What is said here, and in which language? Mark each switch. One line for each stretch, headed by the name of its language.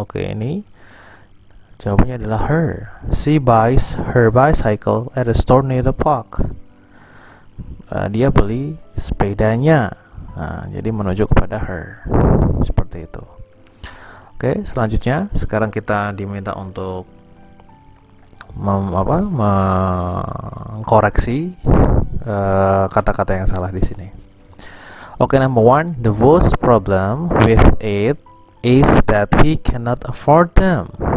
Indonesian: Oke, ini jawabannya adalah her.
English: She buys her bicycle at a store near the park.
Indonesian: Dia beli sepedanya. Nah, jadi menunjuk kepada her. Seperti itu. Oke, selanjutnya sekarang kita diminta untuk mengkoreksi kata-kata yang salah di sini.
English: Oke, number one, the worst problem with it is that he cannot afford them.